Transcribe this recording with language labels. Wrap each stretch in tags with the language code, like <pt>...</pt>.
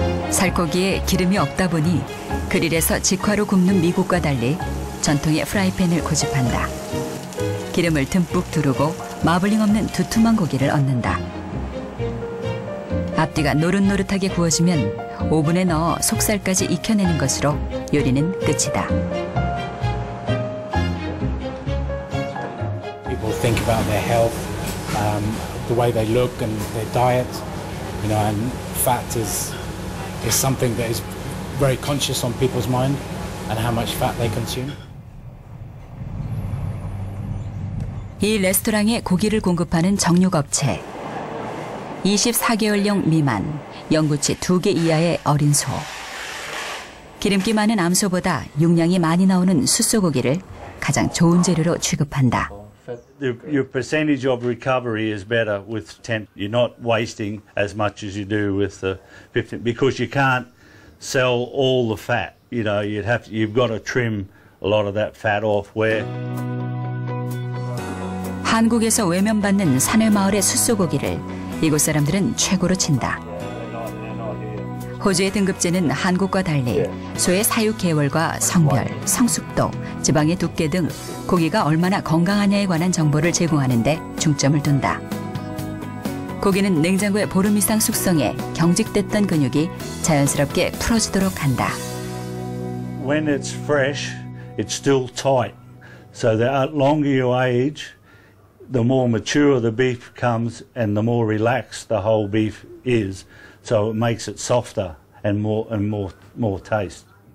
<ko>살코기에 기름이 없다 보니 그릴에서 직화로 굽는 미국과 달리 전통의 프라이팬을 고집한다. 기름을 듬뿍 두르고 마블링 없는 두툼한 고기를 얻는다. 앞뒤가 노릇노릇하게 구워지면 오븐에 넣어 속살까지 익혀내는 것으로 요리는 끝이다.</ko> <en>People think about their health, the way they look and their diet, you know, and fat is something that is very conscious on people's mind and how much fat they consume.</en> <ko>이 레스토랑에 고기를 공급하는 정육업체. 24개월령 미만, 영구치 2개 이하의 어린 소. 기름기 많은 암소보다 육량이 많이 나오는 숫소고기를 가장 좋은 재료로 취급한다.</ko> <en>Your percentage of recovery is better with temp. You're not wasting as much as you do with the 15, because you can't sell all the fat. You know, you've got to trim a lot of that fat off where...</en> <ko>한국에서 외면받는 산의 마을의 숫소고기를 이곳 사람들은 최고로 친다. 호주의 등급제는 한국과 달리 소의 사육 개월과 성별, 성숙도, 지방의 두께 등 고기가 얼마나 건강하냐에 관한 정보를 제공하는 데 중점을 둔다. 고기는 냉장고에 보름 이상 숙성해 경직됐던 근육이 자연스럽게 풀어지도록 한다.</ko> <en>When it's fresh, it's still tight. So the longer you age, the more mature the beef comes and the more relaxed the whole beef is. So it makes it softer and more taste.</en>